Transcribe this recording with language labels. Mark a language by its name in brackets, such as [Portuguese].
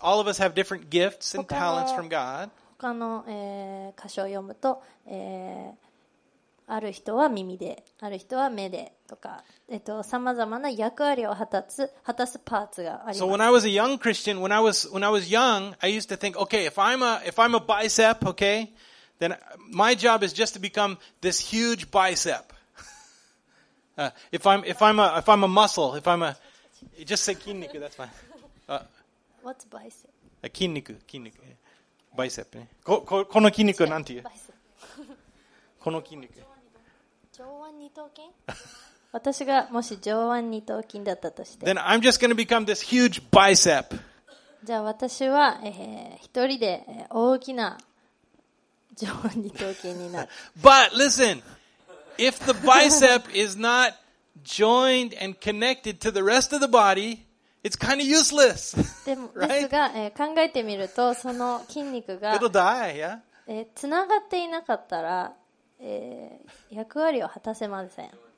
[English] All of us have different gifts and talents from God. [Japanese] 他の、箇所を読むと、ある人は耳で、ある人は目でとか、さまざまな役割を果たすパーツがあります。 [English] So when I was a young Christian, when I was young, I used to think, okay, if I'm a bicep, okay, then my job is just to become this huge bicep. if I'm a muscle, if I'm a, just say 筋肉, that's fine. What's bicep? [Japanese] 筋肉、筋肉、バイセップね。この筋肉なんていう？この筋肉。上腕二頭筋？私がもし上腕二頭筋だったとして。 [English] Then I'm just going to become this huge bicep. [Japanese] じゃあ私は、一人で大きな上腕二頭筋になる。 [English] But listen, if the bicep is not joined and connected to the rest of the body,It's kind of useless. [Japanese] でも、ですが、考えてみると、その筋肉が、 [English] It'll die, yeah? [Japanese] つながっていなかったら、役割を果たせません。